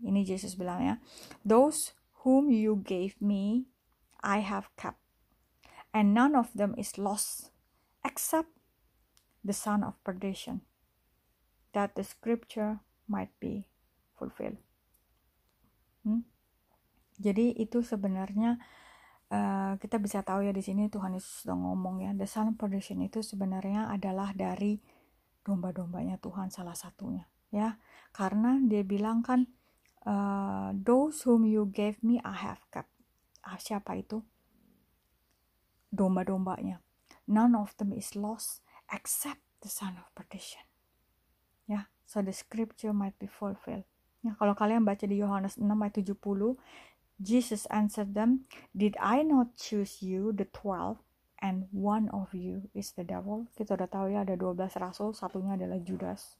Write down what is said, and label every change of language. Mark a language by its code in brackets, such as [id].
[id] Ini Yesus bilang ya, [en] those whom you gave me I have kept, and none of them is lost except the son of perdition, that the scripture might be fulfilled. [id] Jadi itu sebenarnya kita bisa tahu ya di sini Tuhan Yesus sudah ngomong ya, [en] the son of perdition [id] itu sebenarnya adalah dari domba-dombanya Tuhan, salah satunya ya, karena dia bilang kan, [en] those whom you gave me I have kept. [id] Siapa itu? Domba-dombanya. [en] None of them is lost except the son of perdition. Ya, so the scripture might be fulfilled. Ya, [id] kalau kalian baca di Yohanes 6 ayat 70, [en] Jesus answered them, did I not choose you, the 12, and one of you is the devil? [id] Kita udah tahu ya, ada 12 rasul, satunya adalah Judas.